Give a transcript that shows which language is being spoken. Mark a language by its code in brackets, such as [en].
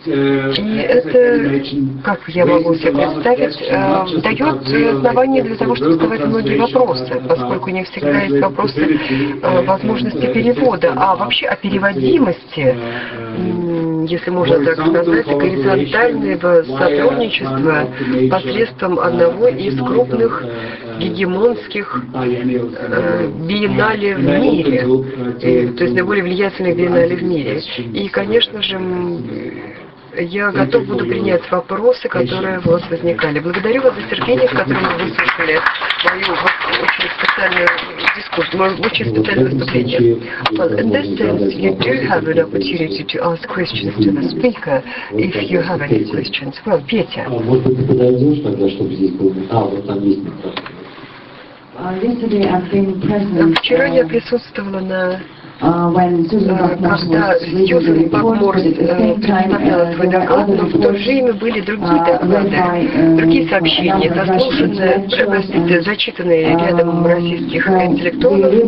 [ru] И это, как я могу себе представить, дает основание для того, чтобы задавать многие вопросы, поскольку не всегда есть вопросы возможности перевода, а вообще о переводимости, если можно так сказать, горизонтального сотрудничества посредством одного из крупных гегемонских биеннале в мире, то есть наиболее влиятельных биеннале в мире. И, конечно же, я готов буду принять вопросы, которые у вас возникали. Благодарю вас за терпение, в котором вы выслушали мою очень специальную дискурс, мою очень специальное выступление. [en] Well, in this sense, you do have an opportunity to ask questions to the speaker, if you have any questions. Well, Петя. [ru] А вот ты подойдешь тогда, чтобы здесь было... А, вот там есть микрофон. Вчера я присутствовала на когда Сьюзан Бакмор представила свой доклад, но в то же время были другие доклады, другие сообщения, заслуженные, зачитанные рядом российских интеллектуалов.